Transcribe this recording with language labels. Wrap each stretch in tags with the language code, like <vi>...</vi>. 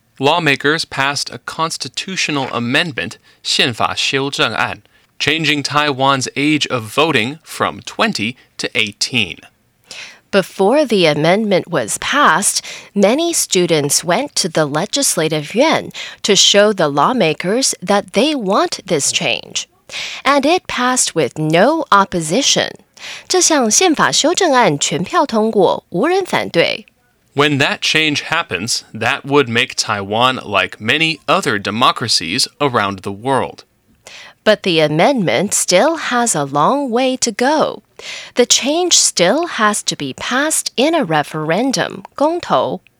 <en>Lawmakers passed a constitutional amendment, 宪法修正案, changing Taiwan's age of voting from 20 to 18. Before the amendment was passed, many students went to the legislative yuan to show the lawmakers that they want this change. And it passed with no opposition.</en> <zh>这项宪法修正案全票通过，无人反对。</zh> <en>When that change happens, that would make Taiwan like many other democracies around the world. But the amendment still has a long way to go. The change still has to be passed in a referendum, 公投。</en>